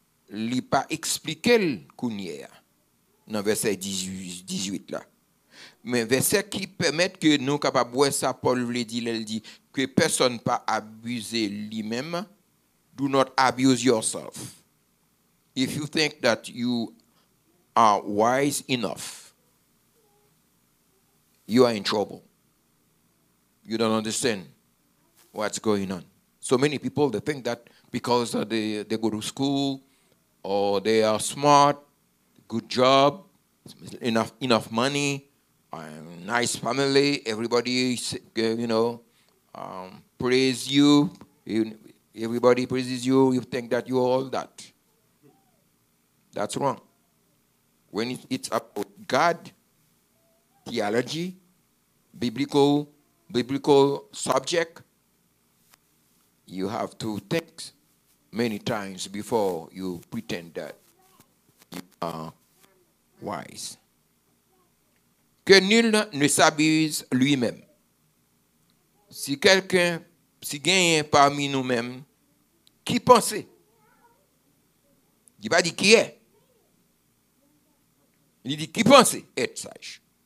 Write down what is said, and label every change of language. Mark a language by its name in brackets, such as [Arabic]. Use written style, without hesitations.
[French] Il n'a pas expliqué le qu'on y est, dans verset 18 là. Mais verset qui permet que nous capables de voir ça, Paul voulait dire, il dit, que personne n'a pas abusé lui-même. [English] Do not abuse yourself. If you think that you are wise enough, you are in trouble. You don't understand what's going on. So many people, they think that because they go to school or they are smart, good job, enough money, nice family, everybody, you know, praise you. Everybody praises you, you think that you're all that. That's wrong. When it's about God, theology, biblical subject, you have to think many times before you pretend that you are wise. [French] Que nul ne s'abuse lui-même. Si quelqu'un, si quelqu'un parmi nous-mêmes, qui pensait? Il va dire qui est. Il dit qui pensait être sage.